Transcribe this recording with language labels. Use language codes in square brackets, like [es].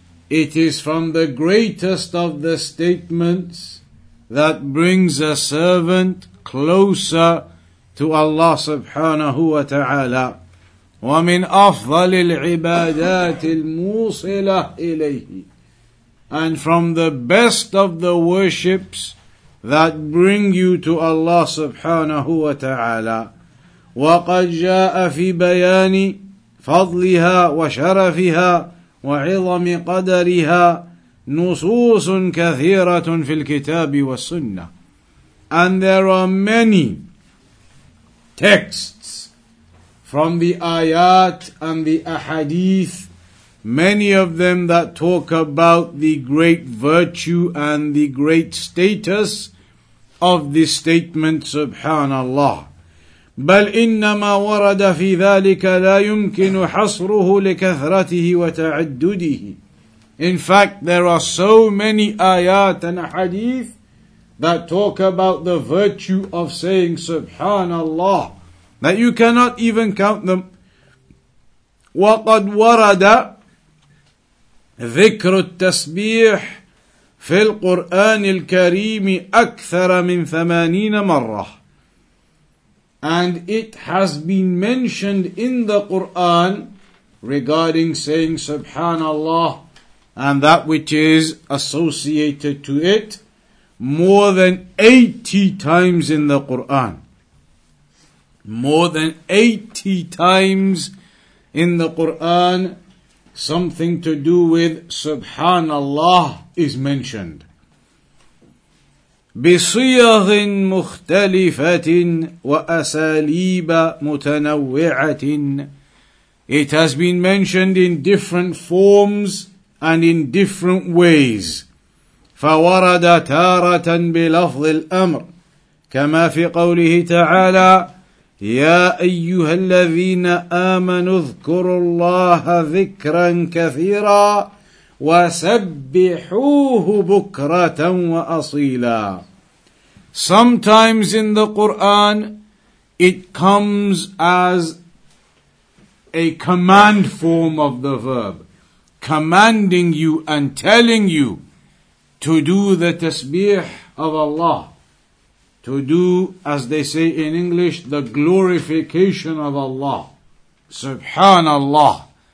[en] It is from the greatest of the statements that brings a servant closer to Allah subhanahu wa ta'ala. [ar] وَمِنْ أَفْضَلِ الْعِبَادَاتِ الْمُوصِلَةِ إِلَيْهِ. [en] And from the best of the worships that bring you to Allah subhanahu wa ta'ala. [ar] وَقَدْ جَاءَ فِي بَيَانِ فَضْلِهَا وَشَرَفِهَا وعظم قدرها نصوص كثيرة في الكتاب والسنة. [en] And there are many texts from the ayat and the ahadith, many of them that talk about the great virtue and the great status of this statement SubhanAllah. [ar] بل إنما ورد في ذلك لا يمكن حصره لكثرته وتعدده. [en] In fact, there are so many ayat and hadith that talk about the virtue of saying Subhanallah that you cannot even count them. [ar] وقد ورد ذكر التسبيح في القرآن الكريم أكثر من 80 مرة. [en] And it has been mentioned in the Qur'an regarding saying Subhanallah and that which is associated to it more than 80 times in the Qur'an. more than 80 times in the Quran, something to do with SubhanAllah is mentioned. [ar] بصيغ مختلفة وأساليب متنوعة. [en] It has been mentioned in different forms and in different ways. [ar] فورد تارة بلفظ الأمر كما في قوله تعالى يا أيها الذين آمنوا اذكروا الله ذكرا كثيرا وسبحوه بكرة وأصيلا. [en] Sometimes in the Quran, it comes as a command form of the verb, commanding you and telling you to do the tasbih of Allah, to do, as they say in English, the glorification of Allah, subhanallah.